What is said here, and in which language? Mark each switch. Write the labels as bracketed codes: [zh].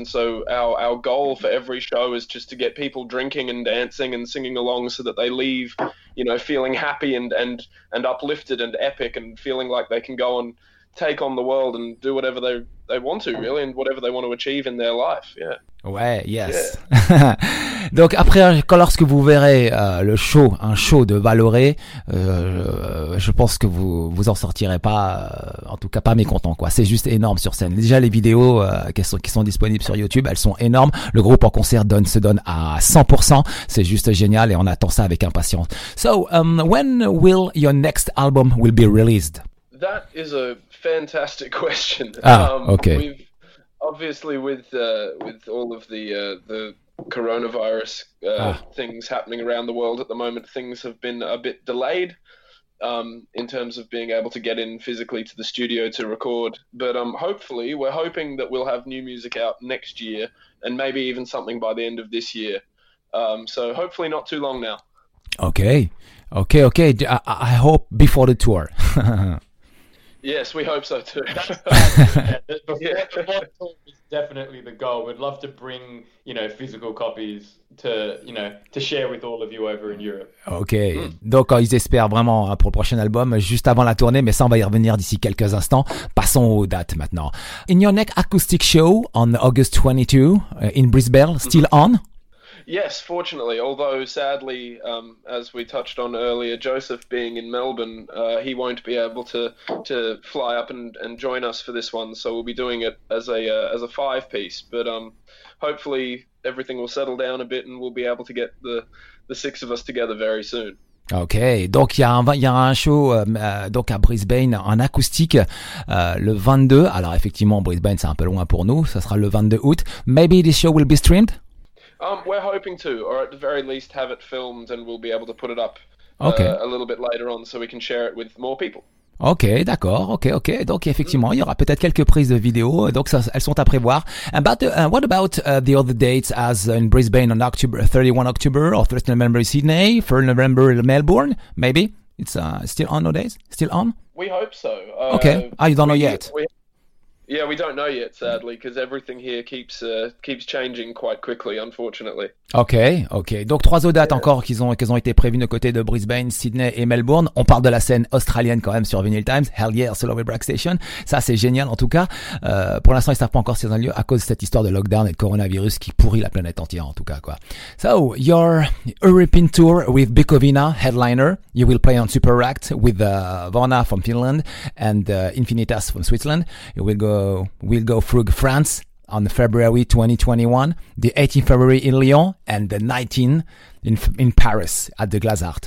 [en] And so our goal for every show is just to get people drinking and dancing and singing along so that they leave, you know, feeling happy and uplifted and epic and feeling like they can go and take on the world and do whatever they want to, really, and whatever they want to achieve in their life. Yeah. Ouais, yes. Yeah. [fr] Donc après, lorsque vous verrez le show, un show de Valoré, je pense que vous en sortirez pas, en tout cas pas mécontent, quoi. C'est juste énorme sur scène. Déjà les vidéos qui sont disponibles sur YouTube, elles sont énormes. Le groupe en concert se donne à 100%. C'est juste génial et on attend ça avec impatience. [en] So, when will your next album will be released? That is a fantastic question. Ah, okay. Obviously, with all of the coronavirus things happening around the world at the moment, things have been a bit delayed. in terms of being able to get in physically to the studio to record. But hopefully, we're hoping that we'll have new music out next year and maybe even something by the end of this year. So hopefully not too long now. Okay. I hope before the tour. Yes, we hope so too. Before the tour is definitely the goal. We'd love to bring, you know, physical copies to, you know, to share with all of you over in Europe. Okay. [fr] Donc, ils espèrent vraiment pour le prochain album, juste avant la tournée, mais ça, on va y revenir d'ici quelques instants. Passons aux dates maintenant. [en] In your next acoustic show on August 22 in Brisbane, still on? Yes, fortunately, although sadly, as we touched on earlier, Joseph being in Melbourne, he won't be able to fly up and join us for this one, so we'll be doing it as a five-piece, but hopefully everything will settle down a bit and we'll be able to get the six of us together very soon. [fr] Ok, donc il y a un show donc à Brisbane en acoustique le 22, alors effectivement Brisbane c'est un peu loin pour nous, ça sera le 22 août. [en] Maybe this show will be streamed? We're hoping to, or at the very least have it filmed and we'll be able to put it up a little bit later on so we can share it with more people. [fr] Ok, d'accord, ok. Donc effectivement, il y aura peut-être quelques prises de vidéos, donc ça, elles sont à prévoir. [en] What about the other dates as in Brisbane on October, 31 October or 30 November in Sydney, 4 November in Melbourne, maybe? It's still on nowadays? Still on? We hope so. You don't know yet? Yeah, we don't know yet, sadly, because everything here keeps changing quite quickly, unfortunately. Ok. [fr] Donc, trois autres dates encore qu'ils ont été prévues de côté de Brisbane, Sydney et Melbourne. On parle de la scène australienne quand même sur Vinyl Times. [en] Hell yeah, [fr] Solo with Brack Station. Ça, c'est génial en tout cas. Pour l'instant, ils ne savent pas encore si c'est un lieu à cause de cette histoire de lockdown et de coronavirus qui pourrit la planète entière en tout cas, quoi. [en] So, your European tour with Bukovina, headliner. You will play on Super Act with Vona from Finland and Infinitas from Switzerland. You will go through France on February 2021, the 18th February in Lyon, and the 19th in Paris at the Glazart.